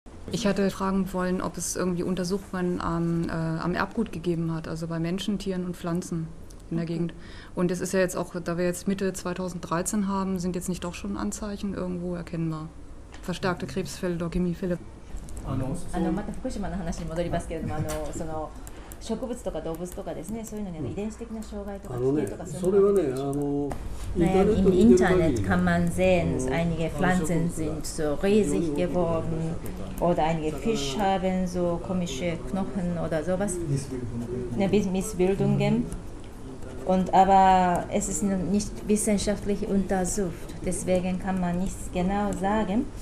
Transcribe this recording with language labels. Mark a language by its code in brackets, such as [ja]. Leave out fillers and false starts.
[de] Ich hatte fragen wollen, ob es irgendwie Untersuchungen am Erbgut gegeben hat, also bei Menschen, Tieren und Pflanzen. In der Gegend. Und es ist ja jetzt auch, da wir jetzt Mitte 2013 haben, sind jetzt nicht doch schon Anzeichen irgendwo erkennbar? Verstärkte Krebsfälle, Leukämiefälle. [ja] また福島の話に戻りますけれども、その植物とか動物とかですね、そういうのに遺伝子的な障害とか、危険とかそれはね、 [de] インターネット kann man sehen, einige Pflanzen sind so riesig geworden oder einige Fisch haben so komische Knochen oder sowas. Missbildungen. Und aber es ist nicht wissenschaftlich untersucht, deswegen kann man nichts genau sagen.